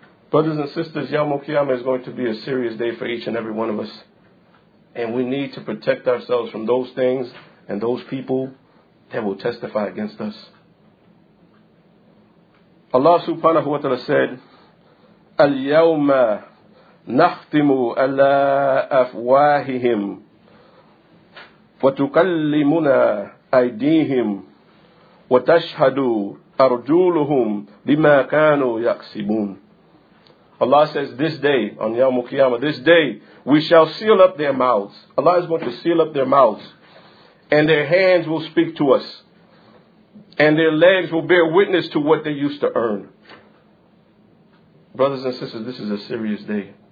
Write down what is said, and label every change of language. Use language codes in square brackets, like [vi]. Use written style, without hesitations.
[en] Brothers and sisters, Yawm al-Qiyamah is going to be a serious day for each and every one of us. And we need to protect ourselves from those things and those people that will testify against us. Allah subhanahu wa ta'ala said, [ar] اليوم نختم على أفواههم وتكلمنا أيديهم وتشهد أرجلهم بما كانوا يكسبون. [en] Allah says, this day, on Yawm al-Qiyamah, this day, we shall seal up their mouths. Allah is going to seal up their mouths. And their hands will speak to us. And their legs will bear witness to what they used to earn. Brothers and sisters, this is a serious day.